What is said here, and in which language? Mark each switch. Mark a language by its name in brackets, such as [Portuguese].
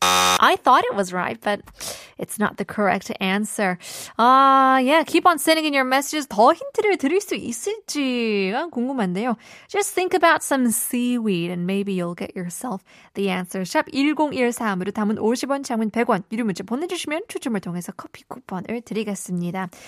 [English] I thought it was right, but it's not the correct answer. Yeah, keep on sending in your messages. [Korean] 더 힌트를 드릴 수 있을지가 궁금한데요. [English] Just think about some seaweed and maybe you'll get yourself the answer. [Korean] 샵 1013으로 담은 50원, 장문 100원 유료 문자 보내주시면 추첨을 통해서 커피 쿠폰을 드리겠습니다.